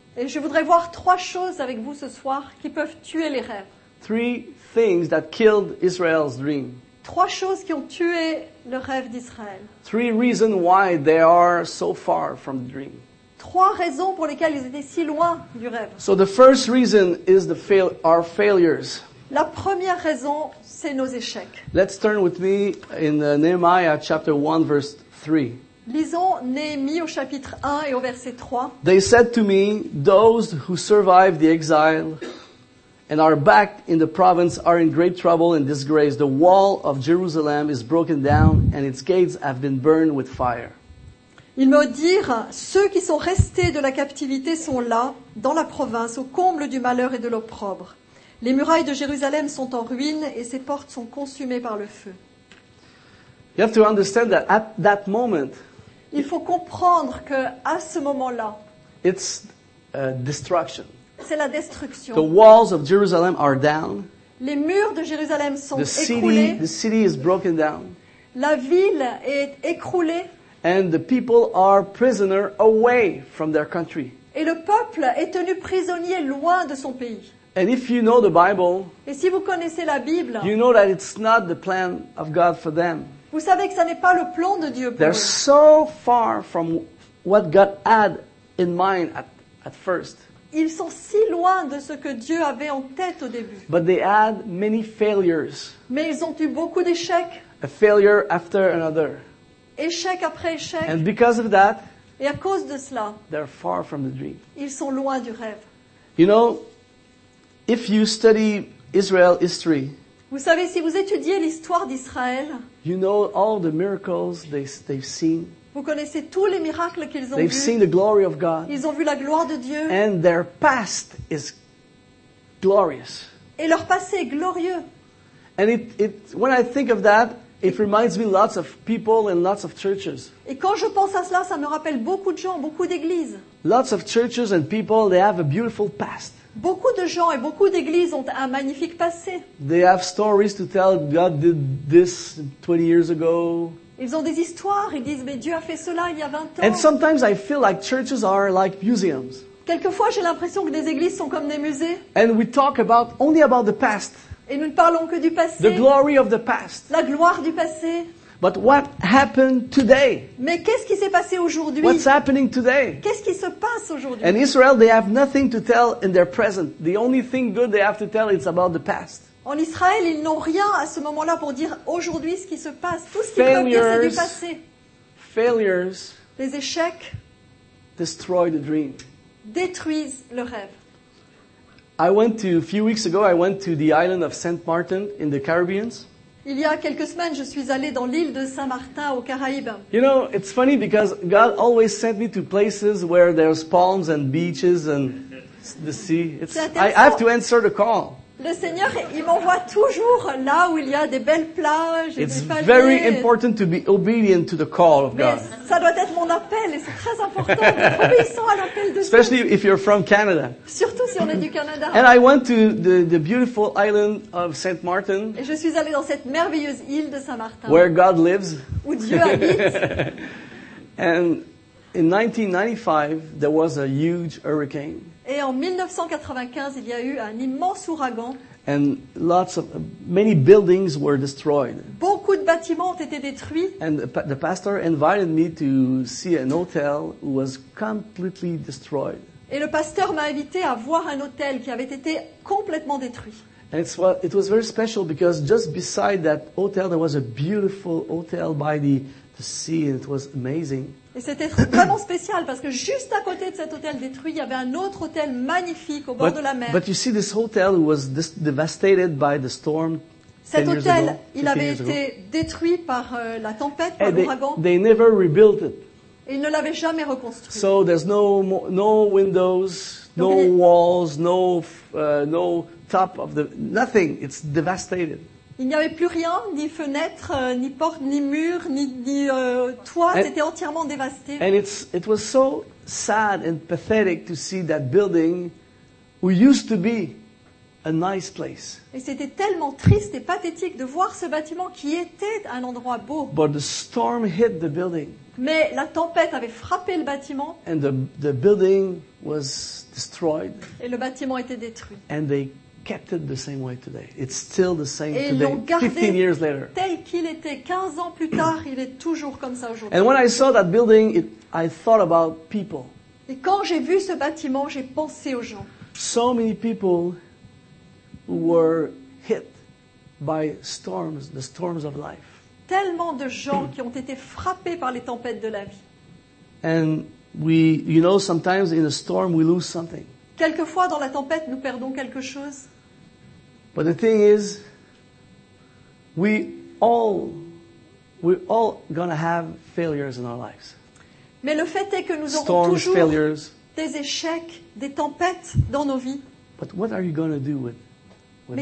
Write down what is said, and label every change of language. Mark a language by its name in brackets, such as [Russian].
[French] Et je voudrais voir 3 choses avec vous ce soir qui peuvent tuer les rêves. [English] 3 things that killed Israel's dream. [French] 3 choses qui ont tué le rêve d'Israël. [English] 3 reasons why they are so far from the dream. [French] 3 raisons pour lesquelles ils étaient si loin du rêve. [English] So the first reason is our failures. [French] La première raison, c'est nos échecs. [English] Let's turn with me in Nehemiah chapter 1 verse 3. [French] Lisons Néhémie au chapitre 1 et au verset 3. [English] They said to me, those who survived the exile and are back in the province are in great trouble and disgrace. The wall of Jerusalem is broken down and its gates have been burned with fire. [French] Ils me dirent, ceux qui sont restés de la captivité sont là, dans la province, au comble du malheur et de l'opprobre. Les murailles de Jérusalem sont en ruine et ses portes sont consumées par le feu. [English] You have to understand that at that moment, [French] il faut comprendre que à ce moment-là, [English] it's destruction. [French] C'est la destruction. [English] The walls of Jerusalem are down. [French] Les murs de Jérusalem sont écroulés. [English] The city is broken down. [French] La ville est écroulée. [English] And the people are prisoner away from their country. [French] Et le peuple est tenu prisonnier loin de son pays. [English] And if you know the Bible, [French] et si vous connaissez la Bible, [English] you know that it's not the plan of God for them. [French] Vous savez que ça n'est pas le plan de Dieu pour [English] They're [French] eux. [English] They're so far from what God had in mind at first. [French] Ils sont si loin de ce que Dieu avait en tête au début. [English] But they had many failures. [French] Mais ils ont eu beaucoup d'échecs. [English] A failure after another. [French] Échec après échec. [English] And because of that, [French] et à cause de cela, [English] they're far from the dream. [French] Ils sont loin du rêve. [English] You know, if you study Israel history, [French] vous savez, si vous étudiez l'histoire d'Israël, [English] you know all the miracles they've seen. [French] Vous connaissez tous les miracles qu'ils ont [English] they've [French] vus. [English] Seen the glory of God. [French] Ils ont vu la gloire de Dieu. [English] And their past is glorious. [French] Et leur passé est glorieux. [English] And it when I think of that, it reminds me lots of people and lots of churches. [French] Et quand je pense à cela, ça me rappelle beaucoup de gens, beaucoup d'églises. [English] Lots of churches and people, they have a [French] beaucoup de passé. Beaucoup de gens et beaucoup d'églises ont un magnifique passé. [English] They have stories to tell. God did this 20 years ago. [French] Ils ont des histoires. Ils disent, mais Dieu a fait cela il y a 20 ans. [English] And sometimes I feel like churches are like museums. [French] Quelquefois, j'ai l'impression que des églises sont comme des musées. [English] And we talk about only about the past. [French] Et nous ne parlons que du passé. [English] The glory of the past. [French] La gloire du passé. [English] But what happened today? [French] Mais qu'est-ce qui s'est passé aujourd'hui? [English] What's happening today? [French] Qu'est-ce qui se passe aujourd'hui? [English] And Israel, they have nothing to tell in their present. The only thing good they have to tell is about the past. [French] En Israël, ils n'ont rien à ce moment-là pour dire aujourd'hui ce qui se passe. Tout ce qu'ils peuvent dire, c'est du passé. [English] Failures. [French] Les échecs. [English] Destroy the dream. [French] Détruisent le rêve. [English] I went to a few weeks ago. I went to the island of Saint Martin in the Caribbean. [French] Il y a quelques semaines, je suis allé dans l'île de Saint-Martin aux Caraïbes. [English] You know, it's funny because God always sent me to places where there's palms and beaches and the sea. I have to answer the call. [French] Le Seigneur, il m'envoie toujours là où il y a des belles plages et [English] it's [French] des palmiers. [English] It's very important to be obedient to the call of God. [French] Mais ça doit être mon appel et c'est très important d'être obéissant à l'appel de Dieu. [English] Especially if you're from Canada. [French] Surtout si on est du Canada. [English] And I went to the beautiful island of Saint Martin. [French] Et je suis allé dans cette merveilleuse île de Saint Martin. [English] Where God lives. [French] Où Dieu habite. [English] And in 1995, there was a huge hurricane. [French] Et en 1995, il y a eu un immense ouragan. [English] And lots of many buildings were destroyed. [French] Beaucoup de bâtiments ont été détruits. [English] And the pastor invited me to see an hotel who was completely destroyed. [French] Et le pasteur m'a invité à voir un hôtel qui avait été complètement détruit. [English] And it was very special because just beside that hotel there was a beautiful hotel by the sea and it was amazing. [French] Et c'était vraiment spécial parce que juste à côté de cet hôtel détruit, il y avait un autre hôtel magnifique au bord de la mer. [English] But you see, this hotel was devastated by the storm. [French] Cet hôtel, [English] ago, [French] il avait été détruit par la tempête, par [English] And [French] l'ouragan. [English] They never rebuilt it. [French] Et ils ne l'avaient jamais reconstruit. [English] So there's no windows, [French] donc, [English] no walls, no top of the nothing. It's devastated. [French] Il n'y avait plus rien, ni fenêtres, ni portes, ni murs, ni toit. [English] And, [French] c'était entièrement dévasté. [English] And it was so sad and pathetic to see that building, who used to be a nice place. [French] Et c'était tellement triste et pathétique de voir ce bâtiment qui était un endroit beau. [English] But the storm hit the building. [French] Mais la tempête avait frappé le bâtiment. [English] And the building was destroyed. [French] Et le bâtiment était détruit. [English] And they kept it the same way today. It's still the same [French] et [English] today, 15 years later. [French] Tel qu'il était 15 ans plus tard, il est toujours comme ça aujourd'hui. [English] And when I saw that building, I thought about people. [French] Et quand j'ai vu ce bâtiment, j'ai pensé aux gens. [English] So many people were hit by storms, the storms of life. [French] Tellement de gens qui ont été frappés par les tempêtes de la vie. [English] And we, you know, sometimes in a storm we lose something. [French] Quelquefois, dans la tempête, nous perdons quelque chose. [English] But the thing is, we all gonna have failures in our lives. [French] Mais le fait est que nous [English] storms, [French] aurons toujours [English] failures. [French] Des échecs, des tempêtes dans nos vies. [English] But what are you gonna do with [French] Mais